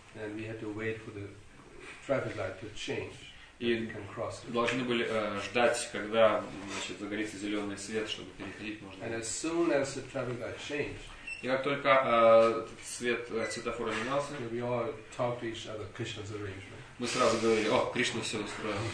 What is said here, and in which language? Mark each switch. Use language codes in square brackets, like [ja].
[en] And we had to wait for the traffic light to change. [ru] И должны были ждать, когда загорится зеленый свет, чтобы переходить можно. [en] And as soon as the traffic light changed. [ru] И как только свет светофора менялся. [en] We all talked to each other, Krishna's arrangement. [ru] Мы сразу говорили, о, Кришна все устроил.